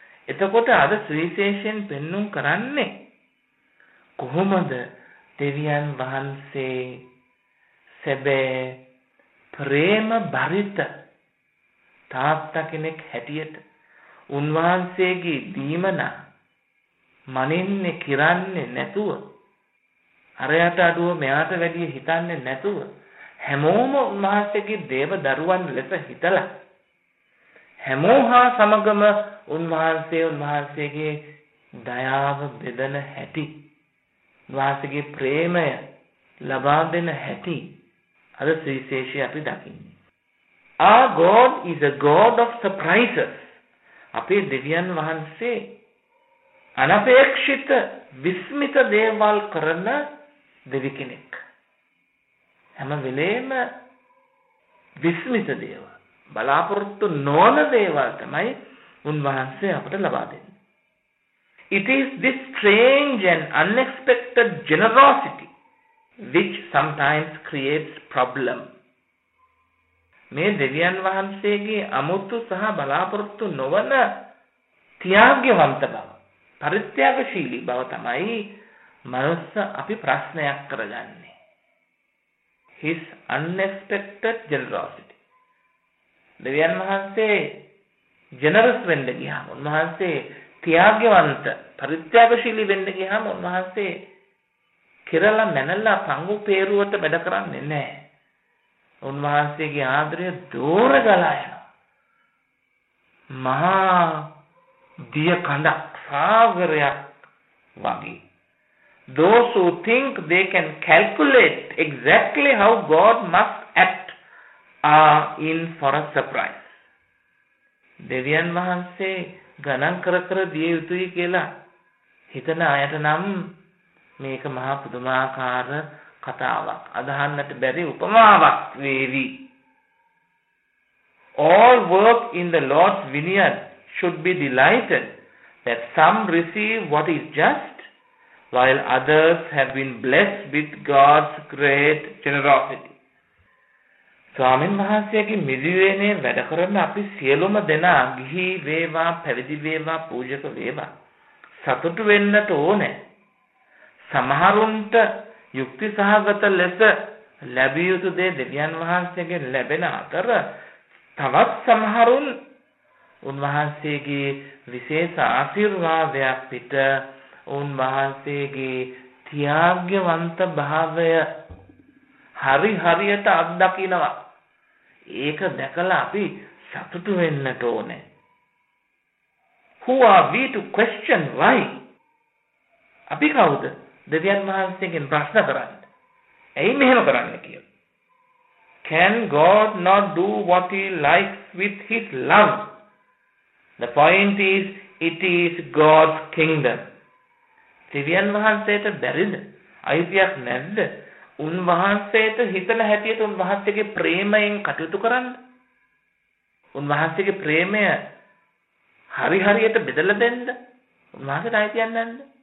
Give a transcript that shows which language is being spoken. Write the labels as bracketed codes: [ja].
[si] එතකොට අද සුවිශේෂයෙන් පෙන්නුම් කරන්නේ කොහොමද දෙවියන් වහන්සේ සැබෑ ප්‍රේම භරිත තාත්තා කෙනෙක් හැටියට උන්වහන්සේගේ දීමනා මනින්නේ කිරන්නේ නැතුව, අරයට අඩුව මෙයාට වැඩිය හිතන්නේ නැතුව, හැමෝම උන්වහන්සේගේ දේව දරුවන් ලෙස හිතලා හැමෝ හා සමගම උන්වහන්සේ උන්වහන්සේගේ දයාව බෙදන හැටි, උන්වහන්සේගේ ප්‍රේමය ලබා දෙන හැටි අද සුවිශේෂී අපි දකින්නේ. [en] Our God is a God of surprises. [si] අපේ දෙවියන් වහන්සේ අනපේක්ෂිත විස්මිත දේවල් කරන දෙවි කෙනෙක්. හැම වෙලේම විස්මිත දේවල්, බලාපොරොත්තු නොවන දේවල් තමයි උන්වහන්සේ අපට ලබා දෙන්නේ. [en] It is this strange and unexpected generosity which sometimes creates problem. [si] මේ දෙවියන් වහන්සේගේ අමුතු සහ බලාපොරොත්තු නොවන ත්‍යාගවන්ත බව, පරිත්‍යාගශීලී බව තමයි මනස අපි ප්‍රශ්නයක් කරගන්නේ. [en] His unexpected generosity. [si] දෙවියන් වහන්සේ generous වෙන්න ගියාම, උන්වහන්සේ ත්‍යාගවන්ත පරිත්‍යාගශීලී වෙන්න ගියාම උන්වහන්සේ කෙරලා මැනලා පංගු පේරුවට වැඩ කරන්නේ නැහැ. උන්වහන්සේගේ ආදරය දෝර ගලා යනවා. මහා දිය කඳක් සාගරයක් වගේ. [en] Those who think they can calculate exactly how God must act are in for a surprise. [si] දෙවියන් වහන්සේ ගණන් කර කර දිය යුතුයි කියලා හිතන අයට නම් මේක මහා පුදුමාකාර කතාවක්, අදහන්නට බැරි උපමාවක් වේවි. [en] All work in the Lord's vineyard should be delighted that some receive what is just, while others have been blessed with God's great generosity. [si] ස්වාමීන් වහන්සේගේ මිදිවේනේ වැඩ කරන අපි සියලුම දෙනා ගිහි වේවා, පැවිදි වේවා, පූජක වේවා සතුටු වෙන්නට ඕනේ. සමහරුන්ට යුක්ති සහගත ලෙස ලැබිය යුතු දේ දෙවියන් වහන්සේගෙන් ලැබෙන අතර තවත් සමහරුන් උන්වහන්සේගේ විශේෂ ආශිර්වාදයක් පිට උන්වහන්සේගේ ත්‍යාගවන්ත භාවය හරි හරියට අත්දකිනවා. ඒක දැකලා අපි සතුටු වෙන්නට ඕනේ. [en] Who are we to question why? [si] අපි කවුද දෙවියන් වහන්සේගෙන් ප්‍රශ්න කරන්නේ ඇයි මෙහෙම කරන්නේ කියලා? [en] Can God not do what he likes with his love? The point is, it is God's kingdom. [si] දෙවියන් වහන්සේට බැරිද, අයිතියක් නැද්ද උන්වහන්සේට හිතන හැටියට උන්වහන්සේගේ ප්‍රේමයෙන් කටයුතු කරන්න? උන්වහන්සේගේ ප්‍රේමය හරි හරියට බෙදලා දෙන්න උන්වහන්සේට අයිතියක් නැද්ද?